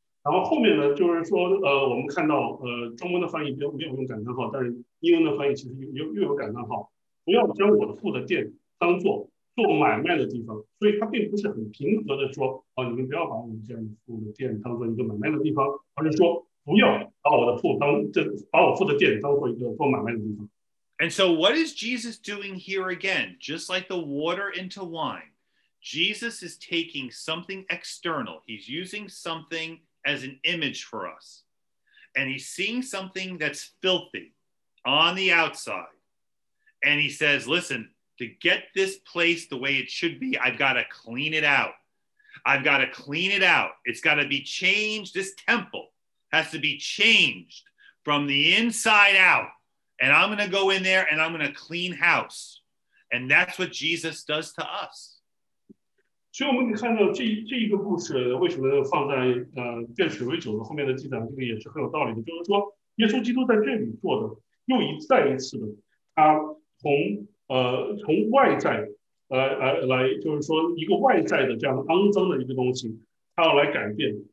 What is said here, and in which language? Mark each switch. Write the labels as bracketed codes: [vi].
[zh] 然后后面呢，就是说我们看到中文的翻译没有用感叹号，但是英文的翻译其实又有感叹号，不要将我父的殿当做做买卖的地方，所以他并不是很平和的说，你们不要把我们这样父的殿当做一个买卖的地方，而是说不要把我父的殿当做一个做买卖的地方。 [en] And so what is Jesus doing here again? Just like the water into wine, Jesus is taking something external. He's using something as an image for us. And he's seeing something that's filthy on the outside. And he says, listen, to get this place the way it should be, I've got to clean it out. I've got to clean it out. It's got to be changed. This temple has to be changed from the inside out. And I'm going to go in there and I'm going to clean house. And that's what Jesus does to us. [zh] 所以我们可以看到这一个故事为什么放在变水为酒的后面的记载，这个也是很有道理的。就是说，耶稣基督在这里做的又一再一次的，他从外在来，就是说一个外在的这样肮脏的一个东西，他要来改变。